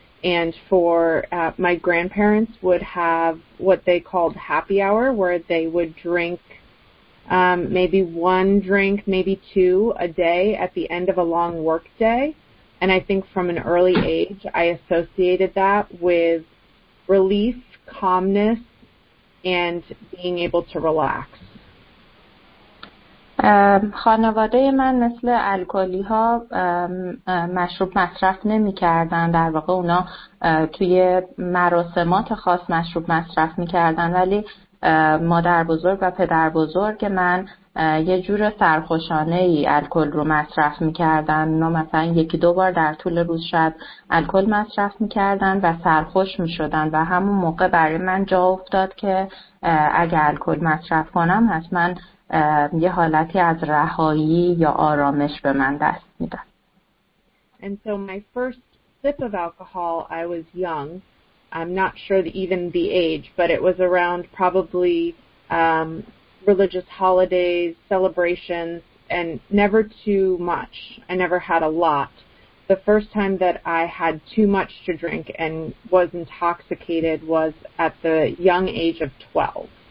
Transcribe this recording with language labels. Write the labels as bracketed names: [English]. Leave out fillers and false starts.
[English] And for my grandparents would have what they called happy hour, where they would drink maybe one drink, maybe two a day at the end of a long work day. And I think from an early age, I associated that with relief, calmness, and being able to relax. [Persian] خانواده من مثل الکلی ها مشروب مصرف نمی کردن. در واقع اونا توی مراسمات خاص مشروب مصرف می کردن، ولی مادر بزرگ و پدر بزرگ من یه جور سرخوشانه ای الکل رو مصرف می کردن. اونا مثلا یکی دو بار در طول روز شاید الکل مصرف می کردن و سرخوش می شدن و همون موقع برای من جا افتاد که اگر الکل مصرف کنم حتما یه حالتی از رهایی یا آرامش به من دست میده. [English] And so my first sip of alcohol, I was young. I'm not sure even the age, but it was around probably religious holidays, celebrations, and never too much. I never had a lot. The first time that I had too much to drink and was intoxicated was at the young age of 12.